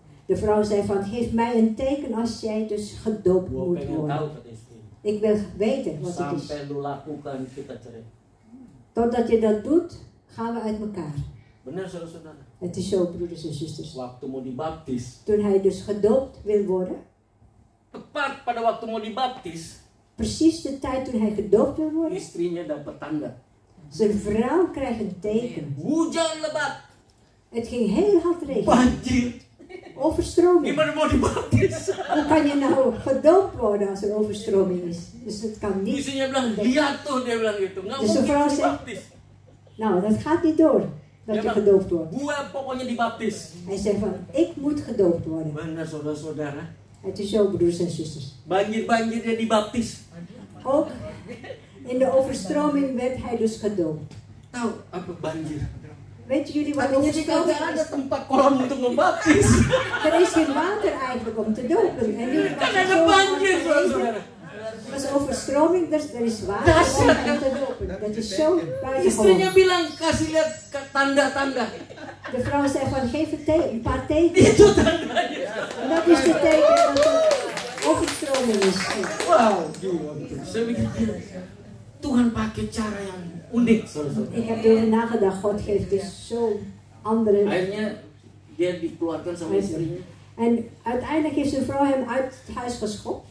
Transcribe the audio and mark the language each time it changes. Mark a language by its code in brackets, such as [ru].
[nl] De vrouw zei van, geef mij een teken als jij dus gedoopt [id] gua [nl] moet worden. [id] Tahu, [nl] ik wil weten wat [id] sampai [nl] het is. [id] Lu lakukan, kita cerai. [nl] Totdat je dat doet, gaan we uit elkaar. [id] Benar, saudara-saudara. [nl] Het is zo, broeders en zusters. [id] Waktu mau dibaptis. [nl] Toen hij dus gedoopt wil worden. [id] Tepat pada waktu mau dibaptis. [nl] Precies de tijd toen hij gedoopt wil worden. [id] Istrinya dapat tanda. [nl] Zijn vrouw krijgt een teken. [id] Hujan lebat. [nl] Het ging heel hard regen. [id] Banjir. [nl] Overstroming. [id] Gimana mau dibaptis? [nl] Hoe kan je nou gedoopt worden als er overstroming is? Dus het kan niet. [id] Istrinya bilang, lihat tuh, dia bilang gitu. Nggak mungkin dibaptis. [nl] Nou, dat gaat niet door. dat je gedoopt wordt. [id] Gua pokoknya dibaptis. [nl] Hij zegt van, ik moet gedoopt worden. [id] Benar, saudara-saudara. [nl] Het is zo, broers en zusters. [id] Banjir-banjir dia dibaptis. [nl] Ook in de overstroming werd hij dus gedoopt. [id] Tahu apa banjir? [nl] Weet jullie wat banjir is? [id] Tidak ada tempat kolam untuk membaptis. [nl] Er is geen water eigenlijk om te dopen. En nu kan [id] ada banjir, saudara-saudara. [nl] Het was overstroming, dus er is water om hem te dopen. Dat is zo pijnlijk. [id] Istrinya bilang, kasih lihat tanda-tanda. [nl] De vrouw zei van, geef een paar teken. [id] Itu tandanya. [nl] En dat is de teken van de overstroming. Wow. [id] Tuhan pakai cara yang unik. [nl] Ik heb door nagedacht, God geeft dus zo andere. [id] Akhirnya, dia dikeluarkan sama istrinya. [nl] En uiteindelijk heeft zijn vrouw hem uit het huis geschopt.